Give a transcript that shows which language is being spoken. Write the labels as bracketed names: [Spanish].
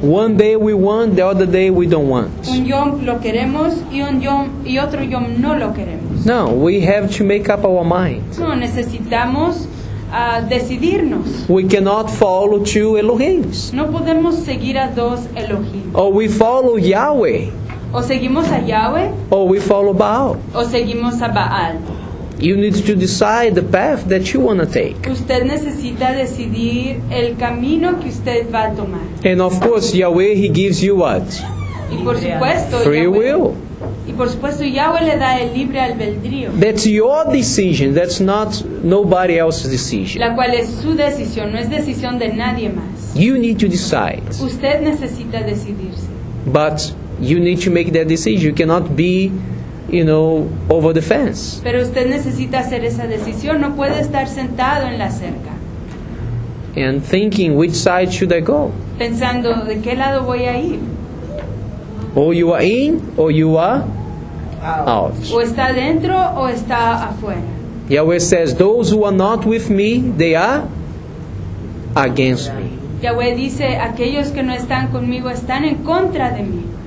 [English] One day we want, the other day we don't want. [Spanish] Un yom lo queremos y un yom y otro yom no lo queremos. [English] No, we have to make up our mind. [Spanish] No, necesitamos decidirnos. [English] We cannot follow two Elohim. [Spanish] No podemos seguir a dos Elohim. [English] Or we follow Yahweh. [Spanish] O seguimos a Yahweh. [English] Or we follow Baal. [Spanish] O seguimos a Baal. [English] You need to decide the path that you want to take. [Spanish] Usted necesita decidir el camino que usted va a tomar. [English] And of course, Yahweh, He gives you what? [Spanish] Y por supuesto, [English] free Yahweh. Will. [Spanish] Y por supuesto, Yahweh le da el libre albedrío. [English] That's your decision. That's not nobody else's decision. [Spanish] La cual es su decisión, no es decisión de nadie más. [English] You need to decide. [Spanish] Usted necesita decidirse. [English] But you need to make that decision. You cannot be, you know, over the fence. [Spanish] Pero usted necesita hacer esa decisión. No puede estar sentado en la cerca. [English] And thinking, which side should I go? [Spanish] Pensando, ¿de qué lado voy a ir? [English] Or you are in, or you are out. [Spanish] O está dentro, o está afuera. [English] Yahweh says, those who are not with me, they are against me. [Spanish] Yahweh dice, aquellos que no están conmigo están en contra de mí.